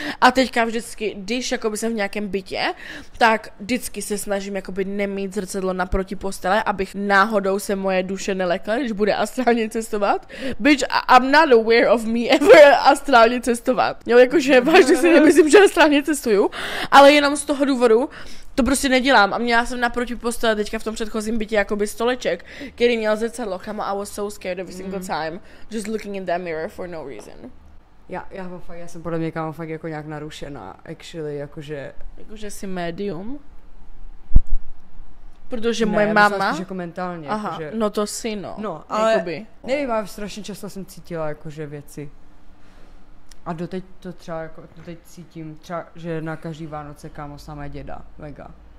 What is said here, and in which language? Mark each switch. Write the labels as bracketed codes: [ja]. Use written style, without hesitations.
[cs] A teďka vždycky, když jakoby jsem v nějakém bytě, tak vždycky se snažím jakoby nemít zrcadlo naproti postele, abych náhodou se moje duše nelekla, když bude astrálně cestovat. [en] Bitch, I'm not aware of me ever [cs] astrálně cestovat. Jo, jakože vážně si nemyslím, že astrálně cestuju, ale jenom z toho důvodu, to prostě nedělám. A měla jsem naproti postele teďka v tom předchozím bytě jakoby stoleček, který měl zrcadlo. [en] Chamo, I was so scared every single time, just looking in that mirror for no reason. [cs] Já jsem podle mě kámo fakt jako nějak narušená, actually, jakože... Jakože jsi médium? Protože moje ne, mama... Ne, jako mentálně, aha, jakože... No to si, no. No, ale jakoby. Nevím, ale strašně často jsem cítila jakože věci. A doteď to třeba jako, doteď cítím třeba, že na každý Vánoce kámo samé děda, mega.